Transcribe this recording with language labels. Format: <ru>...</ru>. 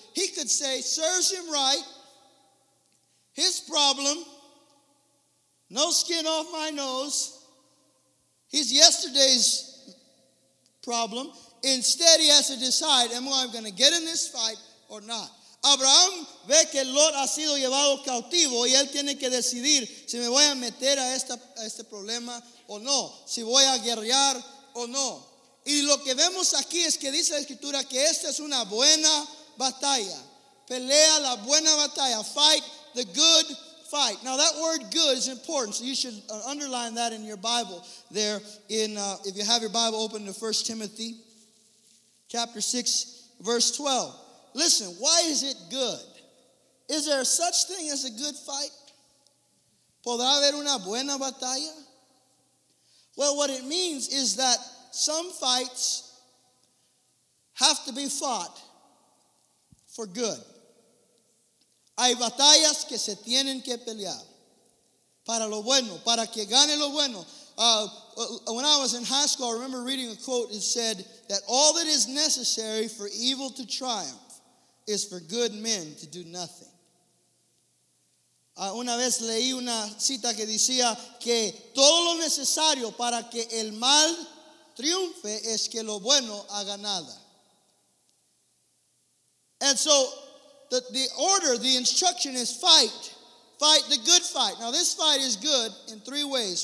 <en>He could say, serves him right. His problem, no skin off my nose. He's yesterday's problem. Instead, he has to decide, am I going to get in this fight or not?</en> <es>Abraham ve que Lot ha sido llevado cautivo y él tiene que decidir si me voy a meter a este problema o no, si voy a guerrear o no. Y lo que vemos aquí es que dice la Escritura que esta es una buena batalla. Pelea la buena batalla.</es> <en>Fight the good fight. Now that word good is important, so you should underline that in your Bible there. If you have your Bible open to 1 Timothy chapter 6, verse 12. Listen, why is it good? Is there such thing as a good fight?</en> <es>¿Podrá haber una buena batalla?</es> <en>Well, what it means is that some fights have to be fought for good.</en> <es>Hay batallas que se tienen que pelear para lo bueno, para que gane lo bueno.</es> <en>When I was in high school, I remember reading a quote that said that all that is necessary for evil to triumph is for good men to do nothing.</en> <es>Una vez leí una cita que decía que todo lo necesario para que el mal triunfe es que lo bueno haga nada.</es> <en>And so the order, the instruction is fight. Fight the good fight. Now this fight is good in three ways.</en>